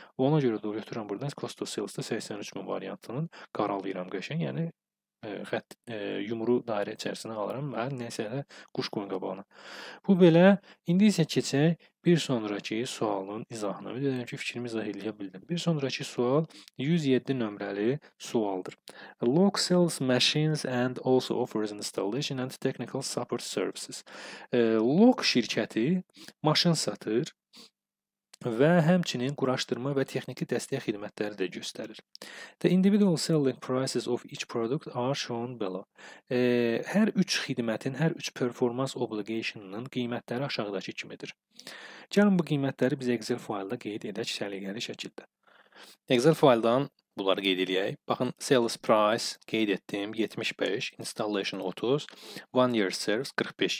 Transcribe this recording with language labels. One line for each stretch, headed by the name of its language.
Azerbaijani: Ona görə də götürürəm burada cost of sales-də 83 min variantının qaralayıram qəşəng, yəni yumru dairə içərisinə alıram və nəsə də quş qoyun qabağına. Bu belə, indi isə keçək bir sonraki sualın izahına. Bir dedim ki, fikrimi izah eləyə bildim. Bir sonraki sual 107 nömrəli sualdır.
English: Lock sells machines and also offers installation and technical support services.
Azerbaijani: Lock şirkəti maşın satır və həmçinin quraşdırma və texniki dəstək xidmətləri də göstərir.
English: The individual selling prices of each product are shown below.
Azerbaijani: Hər üç xidmətin, hər üç performance obligation-ının qiymətləri aşağıdakı kimidir. Gəlin bu qiymətləri biz Excel faylda qeyd edək səliqəli şəkildə. Excel faildan Bunları qeyd edək. Baxın,
English: sales price
Azerbaijani: qeyd etdim
English: 75, installation 30, one year service 45.